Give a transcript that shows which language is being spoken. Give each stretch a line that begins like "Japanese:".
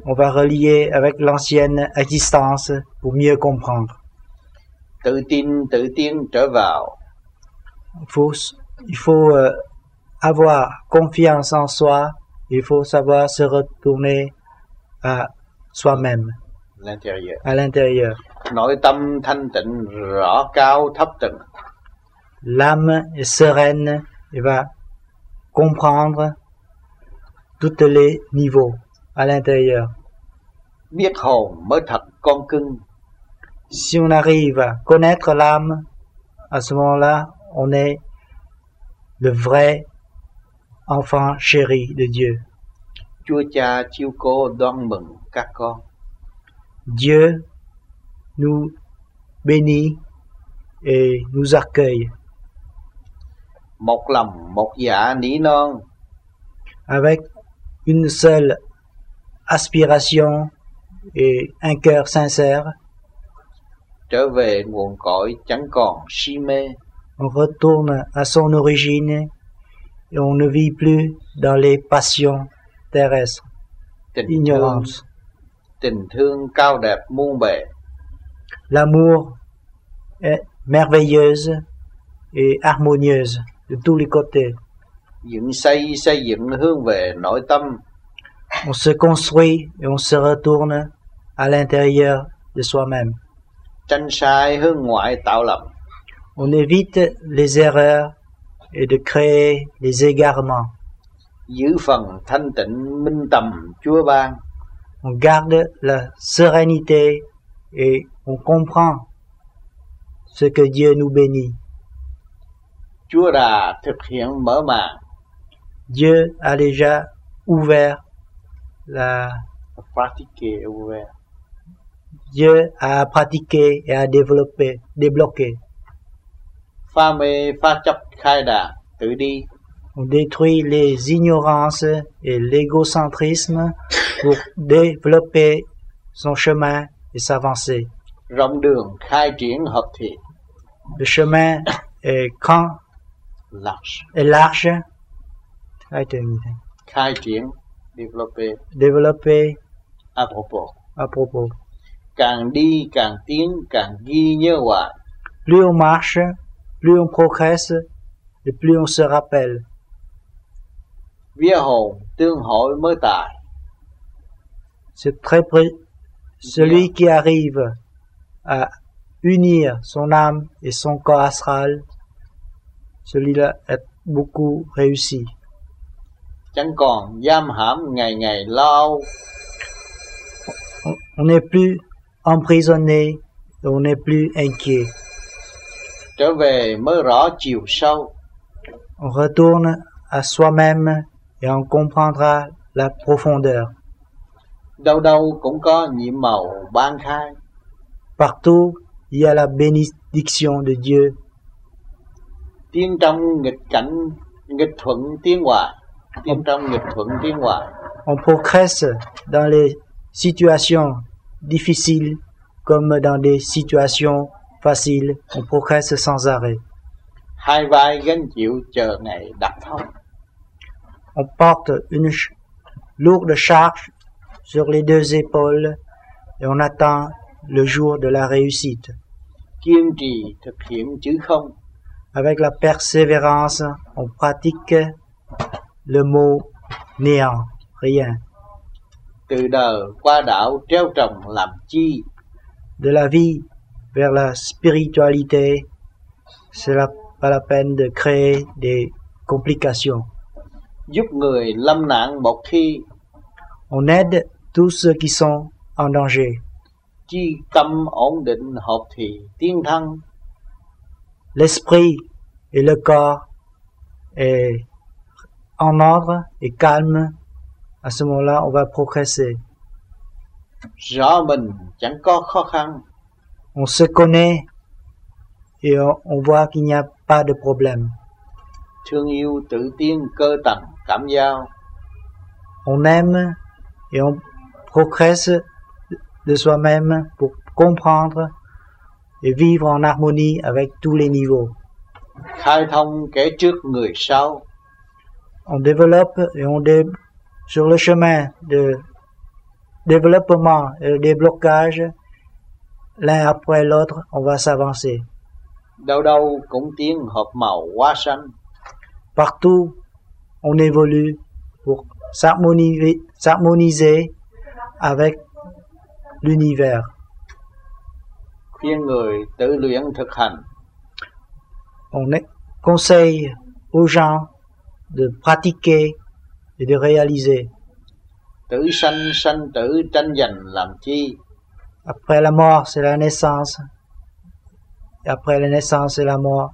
French: On va relier avec l'ancienne existence pour mieux comprendre.
Vietnamese: Tự tin tự tiến trở vào.
French: Il faut avoir confiance en soi. Il faut savoir se retourner à soi-même. L'intérieur. À l'intérieur.
Vietnamese: Nội tâm thanh tịnh rõ cao thấp tầng.
French: L'âme est sereine et va comprendre tous les niveaux à l'intérieur.
Vietnamese: Biết hồn mới thật con cưng.
French: Si on arrive à connaître l'âme, à ce moment-là, on est le vrai enfant chéri de Dieu.
Vietnamese: Chúa Cha chiếu cố đón mừng các con.
French: Dieu nous bénit et nous accueille.
Vietnamese: Một lòng một dạ nỉ non.
French: Avec une seule aspiration et un cœur sincère.
Vietnamese: Trở về nguồn cội chẳng còn si mê.
French: On retourne à son origine et on ne vit plus dans les passions terrestres.
Vietnamese: Tình ignorance. Thương, tình thương cao đẹp muôn bề.
French: L'amour est merveilleuse et harmonieuse de tous les côtés.
Vietnamese: Dựng xây xây dựng hướng về nội tâm.
French: On se construit et on se retourne à l'intérieur de soi-même.
Vietnamese: Tranh sai hướng ngoại tạo lầm.
French: On évite les erreurs et de créer les égarements.
Vietnamese: Giữ phần thanh tịnh minh tâm Chúa ban.
French: On garde la sérénité et on comprend ce que Dieu nous bénit.
Vietnamese: Chúa đã thực hiện mở màn.
French: Dieu a déjà ouvert la pratique ouvert. Dieu a pratiqué et a débloqué.
Vietnamese: Famé pha chấp khai đạt tự đi.
French: On détruit les ignorances et l'égocentrisme pour développer son chemin et s'avancer.
Vietnamese: Rộng đường khai triển hợp thể.
French: Le chemin est grand. Large. Est large.
Vietnamese: Khai triển. Khai triển.
French: Développer. Développer. À propos. À propos.
Vietnamese: Càng đi, càng tiến, càng ghi nhớ hoài.
French: Plus on marche, plus on progresse, et plus on se rappelle.
Vietnamese: Vía hồn, tương hội mới tài.
French: C'est très près. Celui yeah. qui arrive à unir son âme et son corps astral, celui-là est beaucoup réussi.
Vietnamese: Chẳng còn giam hãm ngày ngày lo âu.
French: On n'est plus emprisonné, on n'est plus inquiet.
Vietnamese: Trở về mới rõ chiều sâu.
French: On retourne à soi-même et on comprendra la profondeur.
Vietnamese: Đâu đâu cũng có nhiệm màu ban khai.
French: Partout, il y a la bénédiction de Dieu.
Vietnamese: Tiến trong nghịch cảnh, nghịch thuận tiến hòa. Tiến trong nghịch thuận tiến hòa.
French: On progresse dans les situations difficile comme dans des situations faciles, on progresse sans arrêt.
Vietnamese: Hai vai gánh chịu chờ ngày đặt thông.
French: On porte une lourde charge sur les deux épaules et on attend le jour de la réussite.
Vietnamese: Kiên trì thực hiện chữ không.
French: Avec la persévérance, on pratique le mot néant, rien.
Vietnamese: Từ đời qua đạo treo trồng làm chi.
French: De la vie vers la spiritualité, c'est pas la peine de créer des complications.
Vietnamese: Giúp người lâm nạn một khi.
French: On aide tous ceux qui sont en danger.
Vietnamese: Chi tâm ổn định hợp thì tiến thân.
French: L'esprit et le corps est en ordre et calme. À ce moment-là, on va progresser.
Vietnamese: Rõ mình chẳng có khó khăn.
French: On se connaît et on voit qu'il n'y a pas de problème.
Vietnamese: Thương yêu tự tiên cơ tầng cảm giao.
French: On aime et on progresse de soi-même pour comprendre et vivre en harmonie avec tous les niveaux.
Vietnamese: Khai thông kể trước người sau.
French: On développe et on développe. Sur le chemin de développement et de déblocage, l'un après l'autre, on va s'avancer.
Vietnamese: Đâu đâu cũng tiến hợp màu hoa xanh.
French: Partout, on évolue pour s'harmoniser avec l'univers.
Vietnamese: Khuyên người tự luyện thực hành.
French: On conseille aux gens de pratiquer et de réaliser.
Vietnamese: Tử sanh, sanh tử, tranh giành làm chi?
French: Après la mort, c'est la naissance. Après la naissance, c'est la mort.